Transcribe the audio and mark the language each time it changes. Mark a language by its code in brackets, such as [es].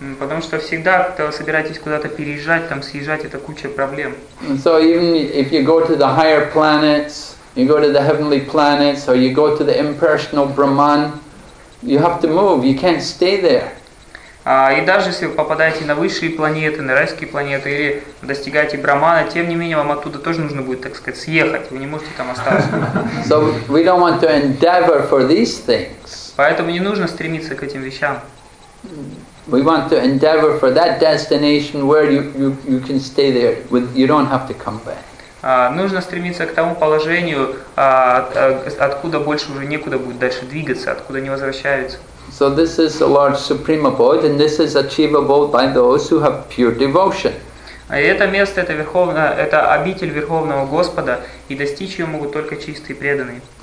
[ru] Потому что всегда, когда вы собираетесь куда-то переезжать, там съезжать, это куча проблем. [en] So even if you go to the higher planets, you go to the heavenly planets, or you go to the impersonal Brahman, you have to move. You can't stay there. [ru] И даже если вы попадаете на высшие планеты, на райские планеты, или достигаете Брахмана, тем не менее вам оттуда тоже нужно будет, так сказать, съехать. Вы не можете там остаться. [en] So we don't want to endeavor for these things. [ru] Поэтому не нужно стремиться к этим вещам. [en] We want to endeavor for that destination where you can stay there. You don't have to come back. [ru] Нужно стремиться к тому положению, откуда больше уже некуда будет дальше двигаться, откуда не возвращаются. [en] So this is the Lord's supreme abode, and this is achievable by those who have pure devotion. [ru] Это место, это верховное, это обитель верховного Господа, и достичь ее могут только чистые преданные.